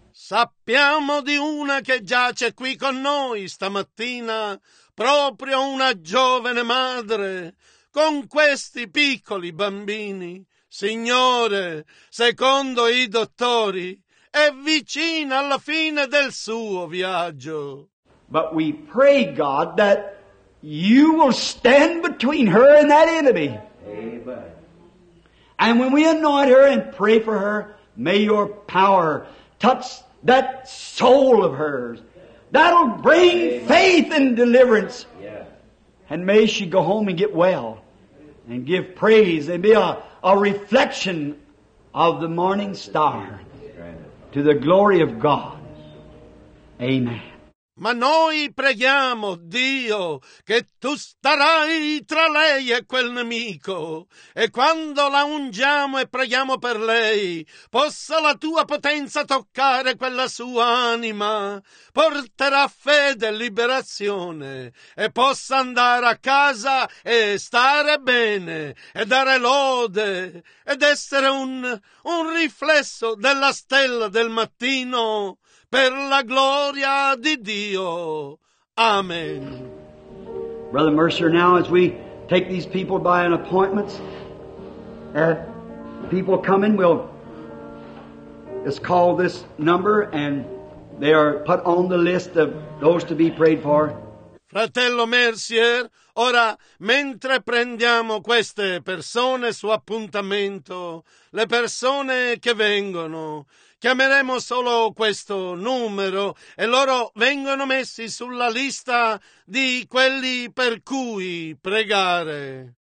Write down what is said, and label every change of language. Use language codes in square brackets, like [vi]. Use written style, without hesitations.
[it] Sappiamo di una che giace qui con noi stamattina, proprio una giovane madre, con questi piccoli bambini. Signore, secondo i dottori, è vicina alla fine del suo viaggio. [en] But we pray, God, that you will stand between her and that enemy. Amen. And when we anoint her and pray for her, may your power touch that soul of hers. That'll bring Amen. Faith and deliverance. Yes. And may she go home and get well and give praise and be a reflection of the morning star to the glory of God. Amen. [it] Ma noi preghiamo, Dio, che tu starai tra lei e quel nemico, e quando la ungiamo e preghiamo per lei, possa la tua potenza toccare quella sua anima, porterà fede e liberazione, e possa andare a casa e stare bene, e dare lode, ed essere un riflesso della stella del mattino. Per la gloria di Dio. Amen. [en] Brother Mercer, now as we take these people by an appointments, people come in, we'll just call this number and they are put on the list of those to be prayed for. [it] Fratello Mercier, ora, mentre prendiamo queste persone su appuntamento, le persone che vengono, chiameremo solo questo numero e loro vengono messi sulla lista di quelli per cui pregare.